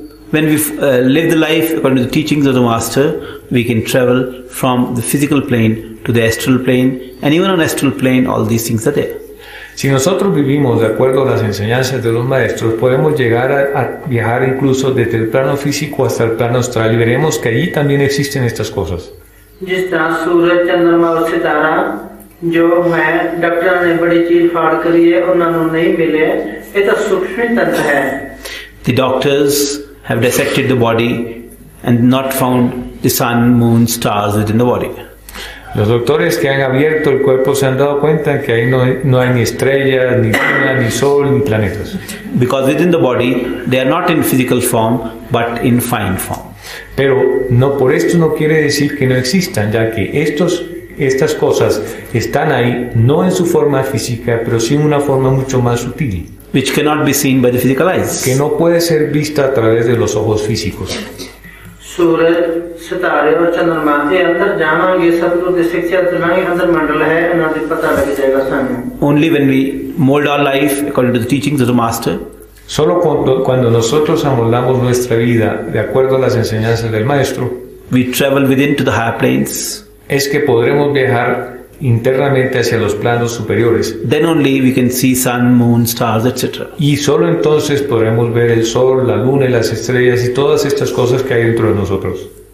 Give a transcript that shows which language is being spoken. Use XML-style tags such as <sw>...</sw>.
<en>When we live the life according to the teachings of the Master, we can travel from the physical plane to the astral plane, and even on the astral plane, all these things are there.</en> <es>Si nosotros vivimos de acuerdo a las enseñanzas de los maestros, podemos llegar a viajar incluso desde el plano físico hasta el plano astral y veremos que allí también existen estas cosas.</es> <pa>ਜਿਸ ਤਰ੍ਹਾਂ ਸੂਰਜ ਚੰਦਰਮਾ ਔਰ ਸਿਤਾਰਾ ਜੋ ਮੈਂ ਡਾਕਟਰਾਂ ਨੇ ਬੜੀ ਚੀਰ ਫਾੜ ਕਰੀ ਹੈ ਉਹਨਾਂ ਨੂੰ ਨਹੀਂ ਮਿਲੇ ਇਹ ਤਾਂ ਸੂਕਸ਼ਮ ਤੱਤ ਹੈ</pa> <en>The doctors have dissected the body and not found the sun, moon, stars within the body.</en> <es>Los doctores que han abierto el cuerpo se han dado cuenta que ahí no hay ni estrellas, ni luna, ni sol, ni planetas.</es> <en>Because within the body, they are not in physical form, but in fine form.</en> <es>Pero no, por esto no quiere decir que no existan, ya que estas cosas están ahí, no en su forma física, pero sí en una forma mucho más sutil.</es> <en>Which cannot be seen by the physical eyes.</en> <es>Que no puede ser vista a través de los ojos físicos.</es> <en>Only when we mold our life according to the teachings of the Master.</en> <es>Solo cuando nosotros amoldamos nuestra vida de acuerdo a las enseñanzas del Maestro.</es> <en>We travel within to the higher planes.</en> <es>Es que podremos viajar internamente hacia los planos superiores.</es> <en>Then only we can see sun, moon, stars, etc.</en> <es>Y solo entonces podremos ver el sol, la luna y las estrellas y todas estas cosas que hay dentro de nosotros.</es>